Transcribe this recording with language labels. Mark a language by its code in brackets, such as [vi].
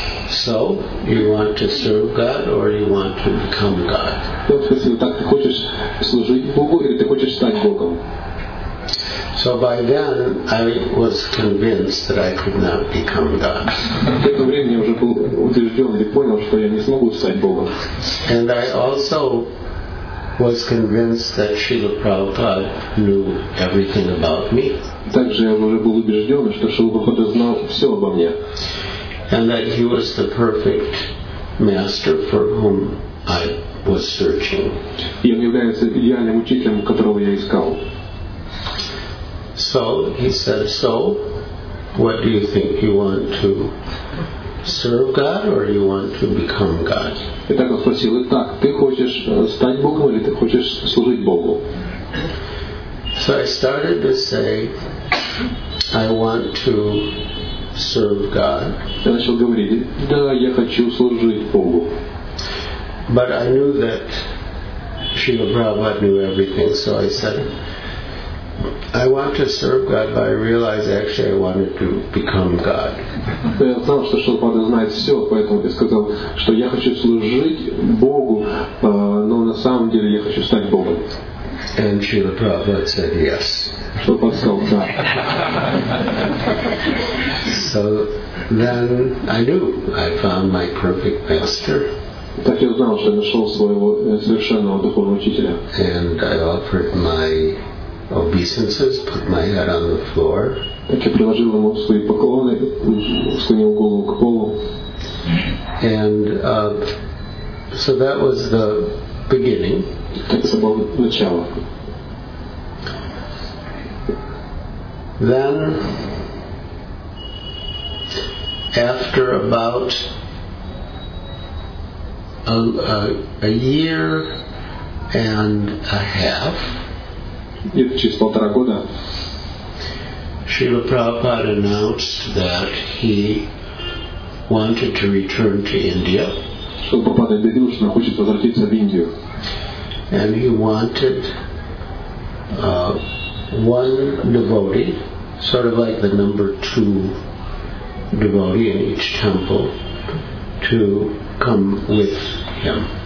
[en] So you want to serve God or you want to become God? [ru] Он спросил, так ты хочешь служить Богу или ты хочешь стать Богом? [en] So So by then I was convinced that I could not become God. [ru] В это время я уже был убежден или понял, что я не смогу стать Богом. [en] And I also was convinced that Srila Prabhupada knew everything about me. [ru] Также я уже был убежден, что Шрила Прабхупада знал все обо мне. [en] And that he was the perfect master for whom I was searching. [ru] И он является идеальным учителем, которого я искал. [en] So he said, "So, what do you think? You want to serve God, or you want to become God?" [ru] Итак, он спросил: "Итак, ты хочешь стать Богом или ты хочешь служить Богу?" [en] So I started to say, "I want to serve God." [ru] Я начал говорить: "Да, я хочу служить Богу." [en] But I knew that Srila Prabhupada knew everything, so I said, I want to serve God, but I realize actually I wanted to become God. [ru] Я знал, что Шилпада знает все, поэтому я сказал, что я хочу служить Богу, но на самом деле я хочу стать Богом. [en] And Srila Prabhupada said yes. [ru] Шилпада сказал да. [en] So then I knew I found my perfect master. [ru] Так я знал, что нашел своего совершенного духовного учителя. [en] And I offered my obeisances, put my head on the floor. [ru] Так я приложил ему свои поклоны, склонил голову к полу. [en] And so that was the beginning. [ru] Так это было начало. [en] Then, after about a year and a half. [ru] Через полтора года [en] Srila Prabhupada announced that he wanted to return to India. [ru] Srila Prabhupada объявил, что хочет возвратиться в Индию. [en] And he wanted one devotee, sort of like the number two devotee in each temple, to come with him.